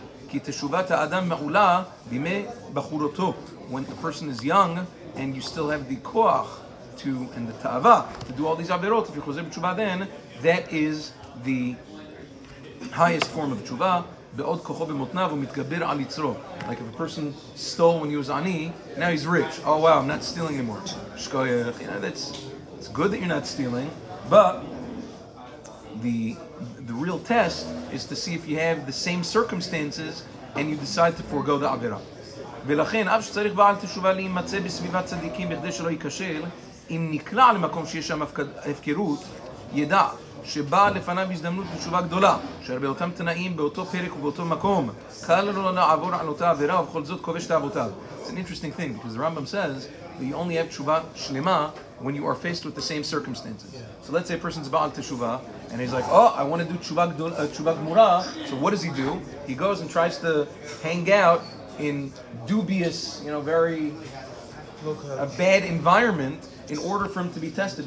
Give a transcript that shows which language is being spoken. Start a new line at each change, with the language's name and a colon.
Hebrew: כי תשובת האדם מעולה בימי בחורותו.
English: When a person is young and you still have the כוח to, and the תאווה, to do all these עבירות, if you חוזר בתשובה then, that is the highest form of תשובה,
Hebrew: בעוד כוחו במותניו ומתגבר על יצרו.
English: Like if a person stole when he was עני, now he's rich. Oh wow, I'm not stealing anymore. שכוייך, you know, that's, it's good that you're not stealing, but the real test is to see if you have the same circumstances and you decide to forego the avera.
Hebrew: ולכן, אף שצריך בעל תשובה להימצא בסביבת צדיקים בכדי שלא ייקשל, אם נקלע למקום שיש שם הפקרות, ידע שבא לפניו הזדמנות בתשובה גדולה, שהרבה אותם תנאים באותו פרק ובאותו מקום, קל לו לעבור על אותה עבירה ובכל זאת כובש את אבותיו.
English: It's an interesting thing, because the Rambam says that you only have תשובה שלמה when you are faced with the same circumstances. Yeah. So let's say a person's ba'al teshuvah, and he's like, oh, I want to do teshuvah gmura. So what does he do? He goes and tries to hang out in dubious, you know, very, a bad environment in order for him to be tested.